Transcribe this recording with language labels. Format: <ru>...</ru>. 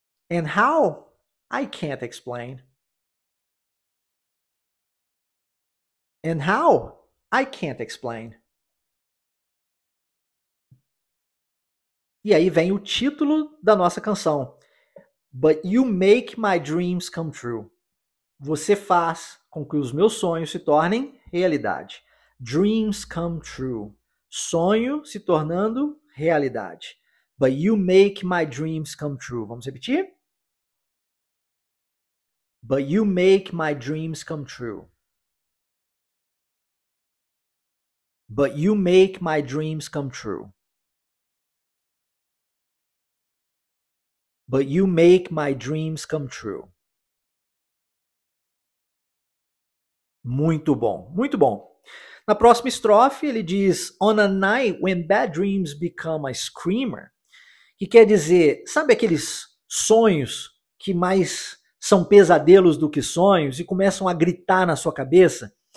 <en>And how? I can't explain. And how? I can't explain.</en> <pt>E aí vem o título da nossa canção.</pt> <en>But you make my dreams come true.</en> <pt>Você faz com que os meus sonhos se tornem realidade.</pt> <en>Dreams come true.</en> <pt>Sonho se tornando realidade.</pt> <en>But you make my dreams come true.</en> <pt>Vamos repetir?</pt> <en>But you make my dreams come true. But you make my dreams come true. But you make my dreams come true.</en> <pt>Muito bom, muito bom. Na próxima estrofe, ele diz,</pt> <en>on a night when bad dreams become a screamer,</en> <pt>que quer dizer, sabe aqueles sonhos que mais são pesadelos do que sonhos e começam a gritar na sua cabeça?</pt>